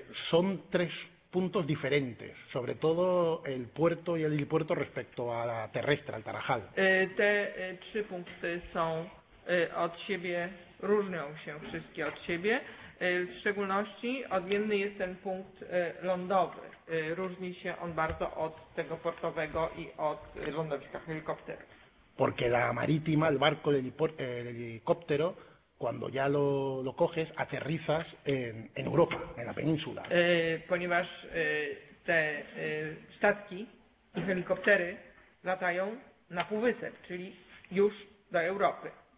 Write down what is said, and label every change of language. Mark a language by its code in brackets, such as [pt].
[es] Son tres puntos diferentes, sobre todo el puerto y el helipuerto respecto a la terrestre, al Tarajal. [pl] Trzy punkty są od siebie, różnią się wszystkie od siebie. W szczególności odmienny jest ten punkt lądowy. Różni się on bardzo od tego portowego i od lądowiska helikopterów. [es] Porque la marítima, el barco del helicóptero, cuando ya lo coges, aterrizas en Europa, en la península. [pl] Ponieważ te statki i helikoptery latają na półwysep, czyli już do Europy.